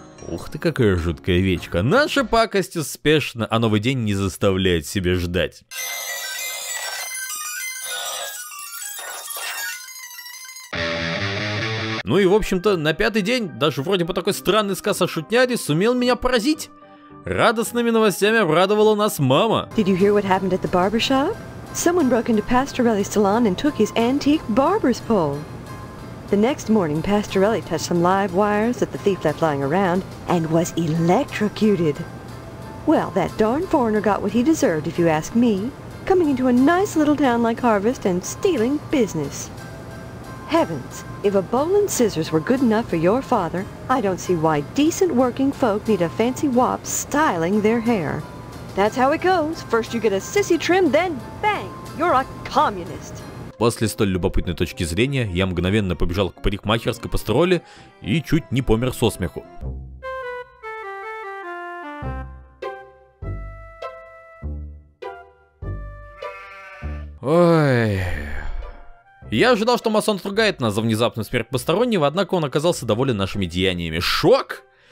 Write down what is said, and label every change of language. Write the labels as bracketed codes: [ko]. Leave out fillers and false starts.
[ru] Ух ты, какая жуткая овечка. Наша пакость успешна, а новый день не заставляет себя ждать. Ну и, в общем-то, на пятый день, даже вроде бы такой странный сказ о шутняде, сумел меня поразить. Радостными новостями обрадовала нас мама. [en] Did you hear what happened at the barber shop? Someone broke into Pastorelli's salon and took his antique barber's pole. The next morning, Pastorelli touched some live wires that the thief left lying around and was electrocuted. Well, that darn foreigner got what he deserved, if you ask me. Coming into a nice little town like Harvest and stealing business. Heavens, if a bowl and scissors were good enough for your father, I don't see why decent working folk need a fancy wop styling their hair. That's how it goes. First you get a sissy trim, then bang, you're a communist. [ru] После столь любопытной точки зрения, я мгновенно побежал к парикмахерской пастроле и чуть не помер со смеху. Ой. Я ожидал, что масон отругает нас за внезапную смерть постороннего, однако он оказался доволен нашими деяниями. Шок!